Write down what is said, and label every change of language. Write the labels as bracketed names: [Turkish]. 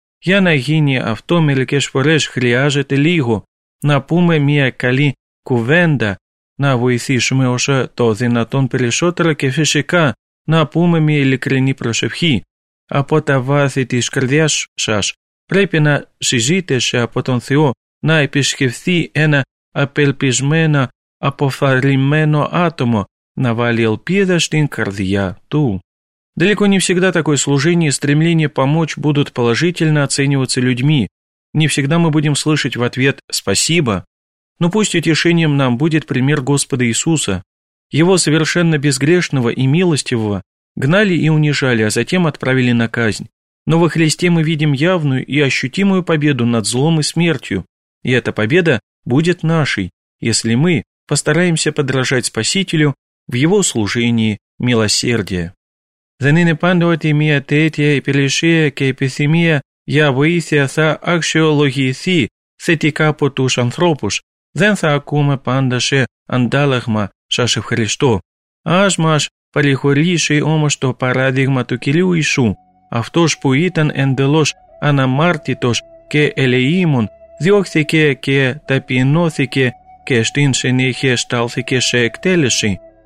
[Greek] Για να γίνει αυτό μερικές φορές χρειάζεται λίγο να πούμε μια καλή κουβέντα, να βοηθήσουμε όσο το δυνατόν περισσότερο και φυσικά να πούμε μια ειλικρινή προσευχή. Από τα βάθη της καρδιάς σας πρέπει να συζήτησε από τον Θεό να επισκεφθεί ένα απελπισμένο, αποφαλημένο άτομο, να βάλει ελπίδα στην καρδιά του. [Russian] Далеко не всегда такое служение и стремление помочь будут положительно оцениваться людьми. Не всегда мы будем слышать в ответ «спасибо». Но пусть утешением нам будет пример Господа Иисуса. Его совершенно безгрешного и милостивого гнали и унижали, а затем отправили на казнь. Но во Христе мы видим явную и ощутимую победу над злом и смертью. И эта победа будет нашей, если мы постараемся подражать Спасителю в Его служении милосердия. [Greek] Δεν είναι πάντοτε μια τέτοια υπηρεσία και επιθυμία για βοήθεια θα αξιολογηθεί θετικά από τους ανθρώπους. Δεν θα ακούμε πάντα σε αντάλλαγμα «Σας ευχαριστώ». Ας μας παρηγορήσει όμως το παράδειγμα του Κυρίου Ιησού, αυτός που ήταν εντελώς αναμάρτητος και ελεήμων, διώχθηκε και ταπεινώθηκε και στην συνέχεια στάλθηκε σε εκτέλεση.